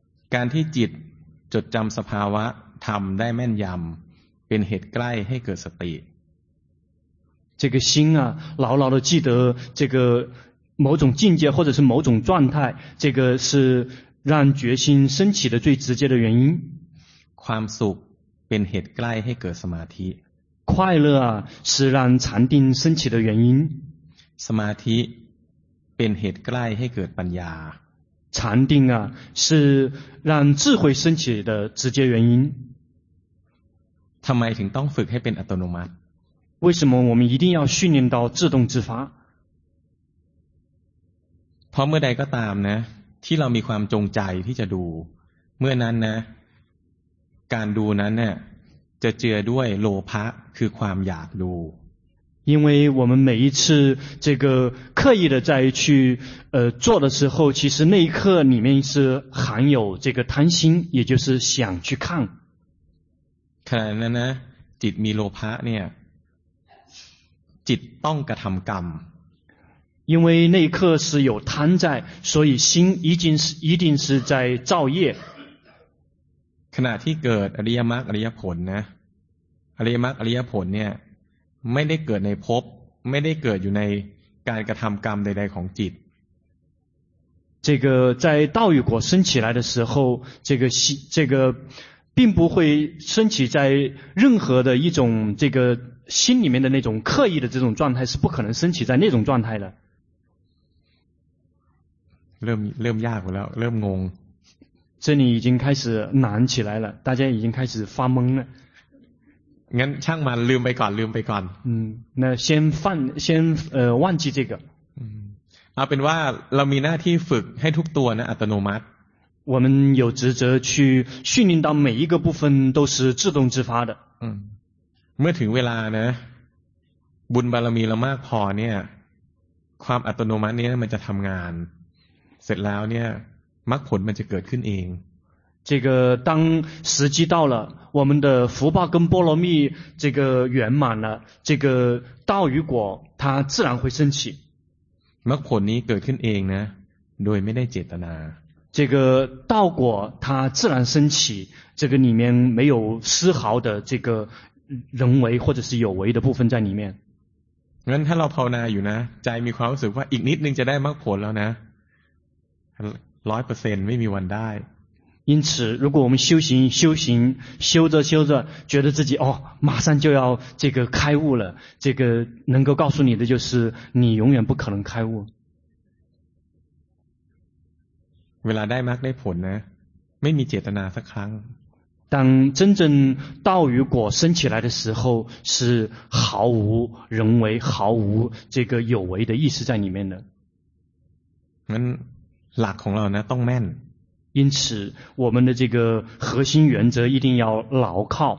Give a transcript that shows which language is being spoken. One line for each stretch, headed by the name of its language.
Thai: การที่จิตจดจำสภาวะทำได้แม่นยำเป็นเหตุใกล้ให้เกิดสติ
Chinese: 这个心啊牢牢的记得这个某种境界或者是某种状态这个是让决心升起的最直接的原因
Thai: ความสุขเป็นเหตุใกล้ให้เกิดสมาธิ
Chinese: 快乐啊是让禅定升起的原因
Thai: สมาธิเป็นเหตุใกล้ให้เกิดปัญญา
Chinese: 禅定啊是让智慧升起的直接原因
Thai: ทำไมถึงต้องฝึกให้เป็นอัตโนมัติ
Chinese: 为什么我们一定要训练到自动自发
Thai: เพราะเมื่อใดก็ตามนะที่เรามีความจงใจที่จะดูเมื่อนั้นนะ การดูนั้นเนี่ยจะเจือด้วยโลภะคือความอยากดู
Chinese: 因为我们每一次这个刻意的在去做的时候其实那一刻里面是含有这个贪心也就是想去看
Thai: ขณะนั้นนะจิตมีโลภะเนี่ยจิตต้องกระทำกรรม
Chinese: 因为那一刻是有贪在所以心一定是在造业
Thai: ขณะที่เกิดอริยมรรคอริยผลนะอริยมรรคอริยผลเนี่ยไม่ได้เกิดในภพไม่ได้เกิดอยู่ในการกระทำกรรมใดๆของจิต
Chinese: 这个在道与果升起来的时候这个并不会升起在任何的一种这个心里面的那种刻意的这种状态是不可能升起在那种状态的
Thai: เริ่มยากแล้วเริ่มงง
Chinese: 这里已经开始难起来了大家已经开始发懵了
Thai: งั้นช่างมันลืมไปก่อน
Chinese: 那先忘记这个
Thai: เอาเป็นว่าเรามีหน้าที่ฝึกให้ทุกตัวนะอัตโนมัติ
Chinese: 我们有职责去训练到每一个部分都是自动自发的
Thai: เมื่อถึงเวลานะบุญบารมีเรามากพอเนี่ยความอัตโนมัตินี้มันจะทำงานเสร็จแล้วเนี่ยมรรคผลมันจะเกิดขึ้นเอง
Chinese: 这个当时机到了我们的福报跟波罗蜜这个圆满了这个道与果它自然会升起
Thai: มรรคผลนี้เกิดขึ้นเองนะโดยไม่ได้เจตนา
Chinese: 这个道果它自然升起这个里面没有丝毫的这个人为或者是有为的部分在里面
Thai: งั้นถ้าเราภาวนาอยู่นะใจมีความรู้สึกว่าอีกนิดนึงจะได้มรรคผลแล้วนะ100%ไม่มีวันได้
Chinese: 因此如果我们修行修着修着觉得自己哦马上就要这个开悟了这个能够告诉你的就是你永远不可能开悟
Thai: เวลาได้มรรคได้ผลนะไม่มีเจตนาสักครั้ง
Chinese: 当真正道与果升起来的时候是毫无人为毫无这个有为的意识在里面的
Thai: งั้นหลักของเรานะต้องแม่น
Chinese: 因此我们的这个核心原则一定要牢靠